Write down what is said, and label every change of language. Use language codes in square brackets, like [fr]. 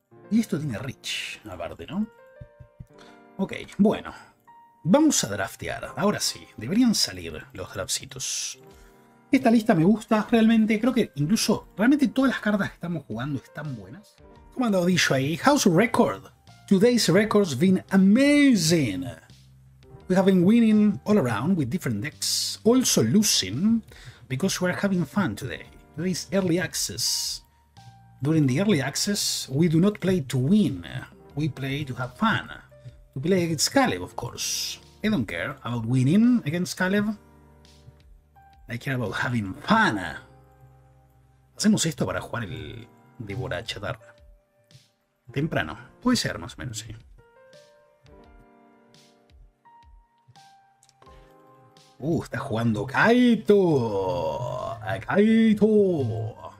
[es] Y esto tiene Reach, aparte, ¿no? Ok, bueno. Vamos a draftear. Ahora sí, deberían salir los draftcitos. Esta lista me gusta, realmente. Creo que incluso, realmente todas las cartas que estamos jugando están buenas. ¿Cómo ha andado dicho ahí? [en] How's the record? Today's record's been amazing. We have been winning all around with different decks. Also losing because we're having fun today. Today's early access. During the early access, we do not play to win. We play to have fun. To play against Caleb, of course. I don't care about winning against Caleb. I care about having fun. [es] Hacemos esto para jugar el Devora Chatarra. Temprano. Puede ser, más o menos, sí. Está jugando Kaito. A Kaito.